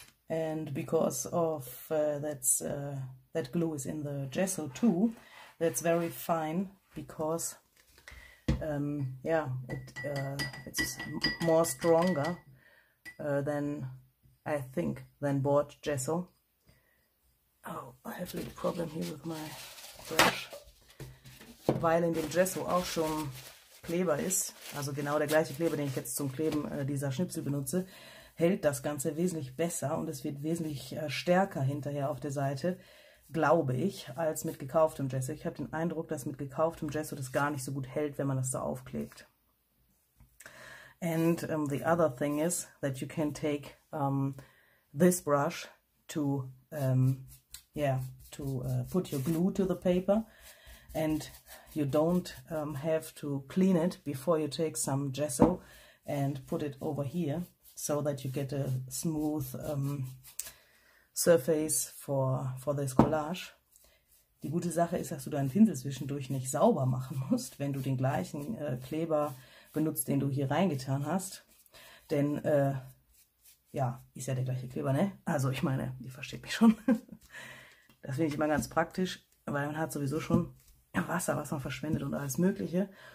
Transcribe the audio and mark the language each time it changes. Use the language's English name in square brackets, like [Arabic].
[English] And because of that glue is in the gesso too, that's very fine because yeah, it's more stronger than I think than board gesso. Oh, I have a little problem here with my brush. [German] Weil in dem Gesso auch schon Kleber ist, also genau der gleiche Kleber, den ich jetzt zum Kleben dieser Schnipsel benutze, hält das Ganze wesentlich besser und es wird wesentlich stärker hinterher auf der Seite, glaube ich, als mit gekauftem Gesso. Ich habe den Eindruck, dass mit gekauftem Gesso das gar nicht so gut hält, wenn man das da aufklebt. And the other thing is that you can take this brush to put your glue to the paper. And you don't have to clean it before you take some gesso and put it over here so that you get a smooth surface for this collage. Die gute Sache ist, dass du deinen Pinsel zwischendurch nicht sauber machen musst, wenn du den gleichen Kleber benutzt, den du hier reingetan hast. Denn, ja, ist ja der gleiche Kleber, ne? Also ich meine, ihr versteht mich schon. Das finde ich immer ganz praktisch, weil man hat sowieso schon Wasser, was man verschwendet und alles Mögliche.